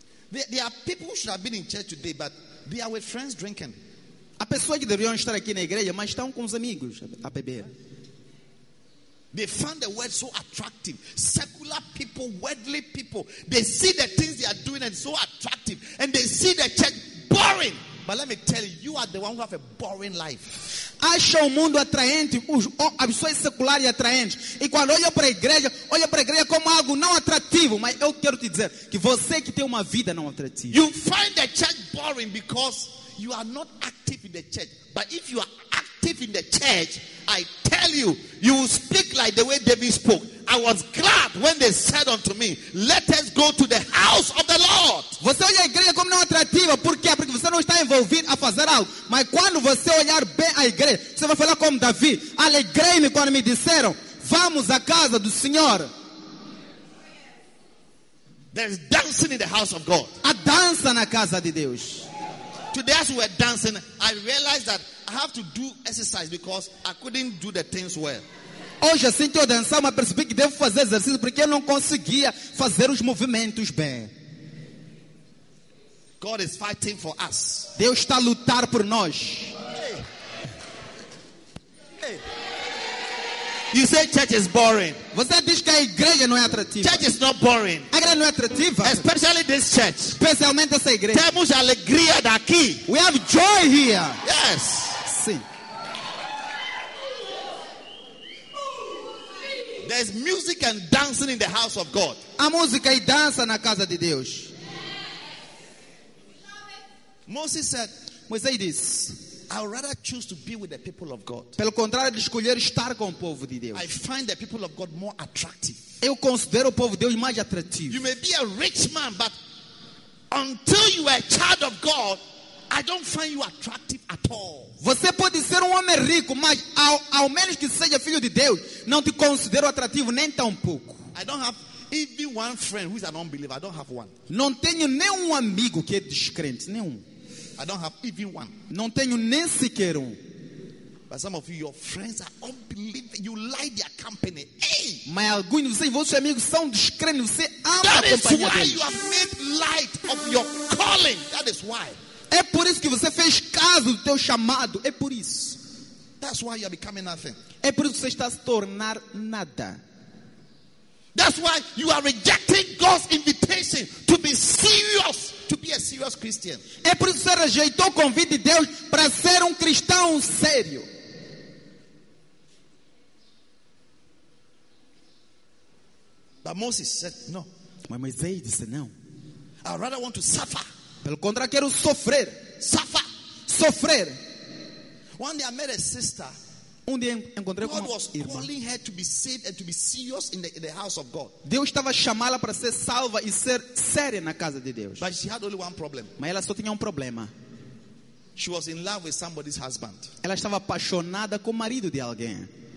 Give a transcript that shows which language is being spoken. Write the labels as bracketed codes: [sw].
[en] There are people who should have been in church today, but they are with friends drinking. [pt] Há pessoas que deveriam estar aqui na igreja, mas estão com os amigos a beber. [en] They find the world so attractive. Secular people, worldly people, they see the things they are doing and so attractive. And they see the church boring. But let me tell you, you are the one who have a boring life. [pt] Acha o mundo atraente, a pessoa é secular e atraente. E quando olha para a igreja como algo não atrativo. Mas eu quero te dizer que você que tem uma vida não atrativa. [en] You find the church boring because you are not active in the church. But if you are active in the church, I tell you, you will speak like the way David spoke. I was glad when they said unto me, let us go to the house of the Lord. [pt] Você olha a igreja como não atrativa. Por quê? Porque você não está envolvido a fazer algo. Mas quando você olhar bem a igreja, você vai falar como Davi. Alegrei-me quando me disseram, vamos à casa do Senhor. [en] There's dancing in the house of God. [pt] A dança na casa de Deus. [en] Today as we were dancing, I realized that I have to do exercise because I couldn't do the things well. [pt] Hoje assim que eu dançava, mas percebi que devo fazer exercício porque eu não conseguia fazer os movimentos bem. [en] God is fighting for us. [pt] Deus está a lutar por nós. [en] Hey. You say church is boring. [pt] Você diz que a igreja não é atrativa. [en] Church is not boring. [pt] A igreja não é atrativa. [en] Especially this church. [pt] Especialmente essa igreja. Temos alegria daqui. [en] We have joy here. Yes. [pt] Sim. [en] There's music and dancing in the house of God. [pt] A música e dança na casa de Deus. [en] Moses said, [pt] Moisés diz, [en] I would rather choose to be with the people of God. [pt] Pelo contrário, de escolher estar com o povo de Deus. [en] I find the people of God more attractive. [pt] Eu considero o povo de Deus mais atrativo. [en] You may be a rich man, but until you are a child of God, I don't find you attractive at all. [pt] Você pode ser um homem rico, mas ao menos que seja filho de Deus, não te considero atrativo nem tão pouco. [en] I don't have even one friend who is an unbeliever. I don't have one. [pt] Não tenho nenhum amigo que é descrente, nenhum. [en] I don't have even one. [pt] Não tenho nem sequer um. [en] But some of you, your friends are unbelievers. You like their company. Hey! [pt] Mas alguns de vocês, vossos amigos são descrentes. Você ama [en] that [pt] a companhia deles. [en] That is why you have made light of your calling. That is why. [pt] É por isso que você fez caso do teu chamado. É por isso. [en] That's why you are becoming nothing. [pt] É por isso que você está se tornar nada. [en] That's why you are rejecting God's invitation to be serious, to be a serious Christian. [pt] É por isso que você rejeitou o convite de Deus para ser um cristão sério. [en] But Moses said no. [pt] Mas Moisés disse não. [en] I rather want to suffer. [pt] Pelo contrário, quero sofrer. [en] Suffer. [pt] Sofrer. [en] One day I met a sister. [pt] Um dia encontrei [en] God [pt] com uma [en] was [pt] irmã. [en] Calling her to be saved and to be serious in the house of God. [pt] Deus estava chamá-la para ser salva e ser séria na casa de Deus. [en] But she had only one problem. [pt] Mas ela só tinha um problema. [en] She was in love with somebody's husband. [pt] Ela estava apaixonada com o marido de alguém.